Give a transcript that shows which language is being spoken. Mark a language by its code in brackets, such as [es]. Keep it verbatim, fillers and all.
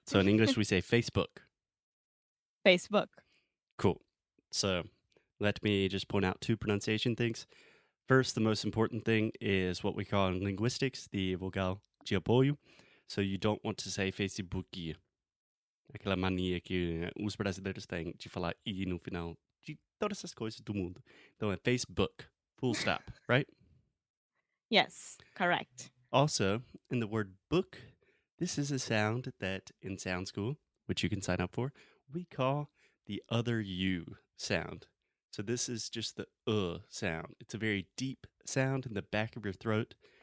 [en] So, in English, we say Facebook. Facebook. Cool. So, let me just point out two pronunciation things. First, the most important thing is what we call in linguistics the vogal de apoio. So, you don't want to say Facebook. [pt] Aquela mania que os brasileiros têm de falar i no final de todas essas coisas do mundo. Então é Facebook, [en] full stop, right? Yes, correct. Also, in the word book, this is a sound that in Sound School, which you can sign up for, we call the other U sound. So this is just the uh sound. It's a very deep sound in the back of your throat.